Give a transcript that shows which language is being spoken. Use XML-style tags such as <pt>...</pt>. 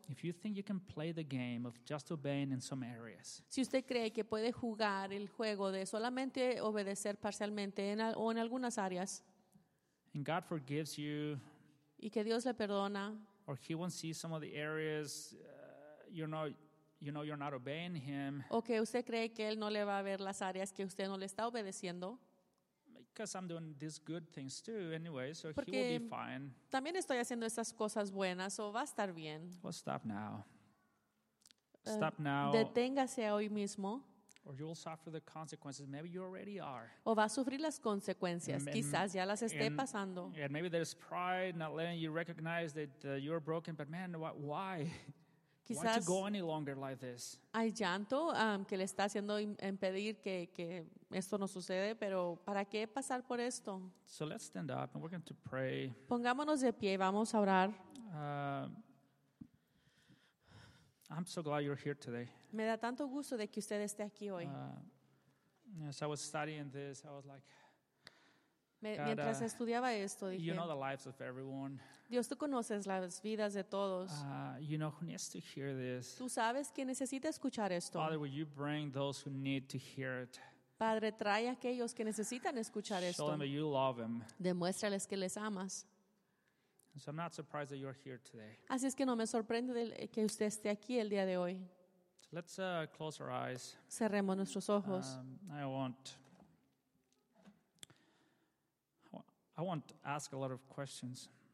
<en>If you think you can play the game of just obeying in some areas.</en> <es>Si usted cree que puede jugar el juego de solamente obedecer parcialmente en algunas áreas.</es> <en>And God forgives you.</en> <es>Y que Dios le perdona.</es> <en>Or he won't see some of the areas you're not obeying him.</en> <es>O que usted cree que él no le va a ver las áreas que usted no le está obedeciendo.</es> <en>Because I'm doing these good things too anyway, so he will be fine.</en> <es>También estoy haciendo esas cosas buenas, o va a estar bien.</es> <en>Well, stop now. Stop now.</en> <es>Deténgase hoy mismo.</es> <en>Or you will suffer the consequences. Maybe you already are.</en> <es>O va a sufrir las consecuencias. Quizás ya las esté pasando.</es> <en>And maybe there's pride not letting you recognize that you're broken. But man, why?</en> <es>Quizás</es> <en>why to go any longer like this?</en> <es>Hay llanto que le está haciendo impedir que esto no sucede. Pero ¿para qué pasar por esto?</es> <en>So let's stand up and we're going to pray.</en> <es>Pongámonos de pie y vamos a orar.</es> <en>I'm so glad you're here today.</en> <es>Me da tanto gusto de que usted esté aquí hoy.</es> <en>As I was studying this, I was like,</en> <es>mientras estudiaba esto, dije,</es> <en>you know the lives of everyone.</en> <es>Dios, tú conoces las vidas de todos.</es> <en>You know who needs to hear this.</en> <es>Tú sabes quién necesita escuchar esto.</es> <en>Father, will you bring those who need to hear it?</en> <es>Padre, trae a aquellos que necesitan escuchar esto.</es> <en>Show them that you love them.</en> <es>Demuéstrales que les amas.</es> <en>So I'm not surprised that you're here today.</en> <es>Así es que no me sorprende que usted esté aquí el día de hoy.</es> <en>So let's close our eyes.</en> <es>Cerremos nuestros ojos.</es> <en>I want to ask a lot of questions.</en>